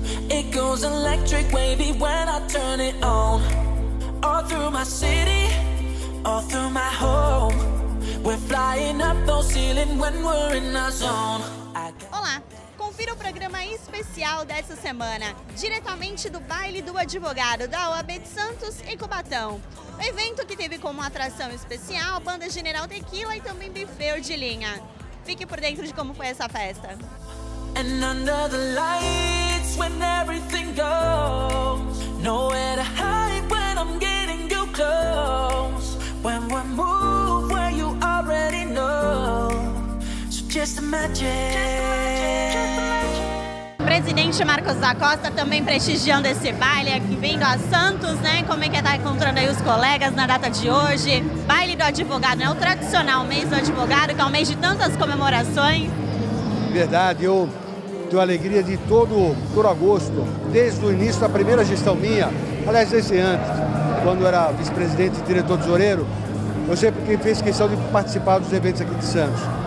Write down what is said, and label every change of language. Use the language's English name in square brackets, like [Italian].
[English] It goes electric, wavy when I turn it on. All through my city, all through my home. We're flying up no ceiling when we're in our zone. [Portuguese] Confira o programa especial dessa semana, diretamente do Baile do Advogado, da OAB de Santos em Cubatão. O evento que teve como atração especial a banda General Tequila e também buffet de linha. Fique por dentro de como foi essa festa. [English] And under the lights when everything goes, nowhere to hide when I'm getting you close. When we move where you already know. So just imagine. [Portuguese] Presidente Marcos da Costa também prestigiando esse baile aqui, vindo a Santos, né? Como é que tá encontrando aí os colegas na data de hoje? Baile do Advogado, né? O tradicional mês do advogado, que é um mês de tantas comemorações. Verdade, eu tenho a alegria de todo agosto, desde o início da primeira gestão minha, aliás, desde antes, quando eu era vice-presidente e diretor tesoureiro, eu sempre fiz questão de participar dos eventos aqui de Santos.